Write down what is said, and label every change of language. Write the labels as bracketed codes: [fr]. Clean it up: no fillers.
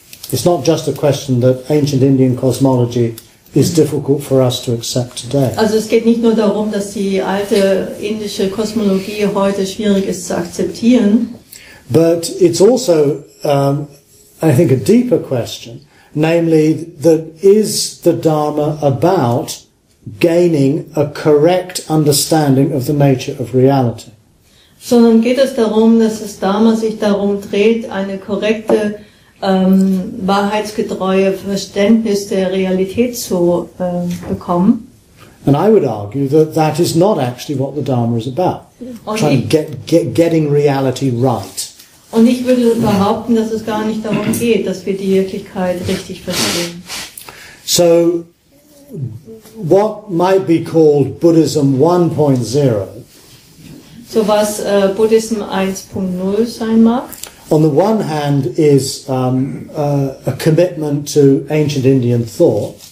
[en] It's not just a question that ancient Indian cosmology is difficult for us to accept today. [de] Also, es geht nicht nur darum, dass die alte indische Kosmologie heute schwierig ist zu akzeptieren. [en] But it's also, I think, a deeper question, namely, that is the Dharma about gaining a correct understanding of the nature of reality? [de] Sondern geht es darum, dass das Dharma sich darum dreht, eine korrekte, wahrheitsgetreue Verständnis der Realität zu bekommen. [en] And I would argue that that is not actually what the Dharma is about. Trying to getting reality right. [de] Und ich würde behaupten, dass es gar nicht darum geht, dass wir die Wirklichkeit richtig verstehen. [en] So, what might be called Buddhism 1.0? [de] So was Buddhism 1.0 sein mag? [en] On the one hand is a commitment to ancient Indian thought.